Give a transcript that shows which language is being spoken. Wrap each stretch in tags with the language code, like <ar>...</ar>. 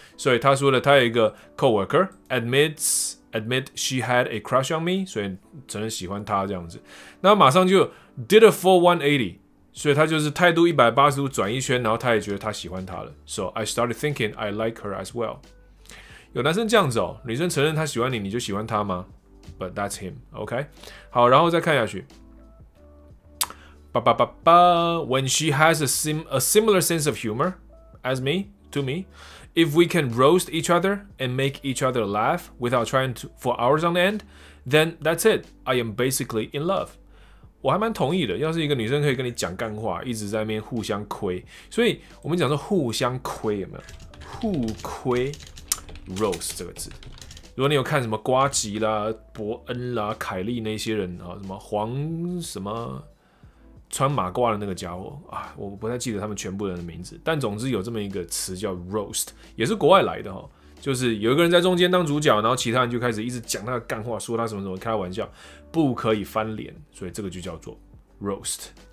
<zh>所以他说了，他有一个</zh> <en>coworker admit she had a crush on me，</en> <zh>所以承认喜欢他这样子。那马上就</zh> <en>did a full 180，</en> <zh>所以他就是态度180度转一圈，然后他也觉得他喜欢他了。</zh> <en>So I started thinking I like her as well。</en> <zh>有男生这样子哦，女生承认她喜欢你，你就喜欢她吗？</zh> <en>But that's him, okay?</en> <zh>好，然后再看下去。</zh> <en>When she has a similar sense of humor as me, to me, if we can roast each other and make each other laugh without trying to, for hours on end, then that's it. I am basically in love.</en> <zh>我还蛮同意的，要是一个女生可以跟你讲干话，一直在那边互相亏，所以我们讲说互相亏有没有？互亏 roast 这个字。如果你有看什么瓜吉啦、伯恩啦、凯利那些人啊，什么黄什么穿马褂的那个家伙啊，我不太记得他们全部人的名字，但总之有这么一个词叫 roast， 也是国外来的哈，就是有一个人在中间当主角，然后其他人就开始一直讲他的干话，说他什么什么，开玩笑，不可以翻脸，所以这个就叫做 roast。</zh>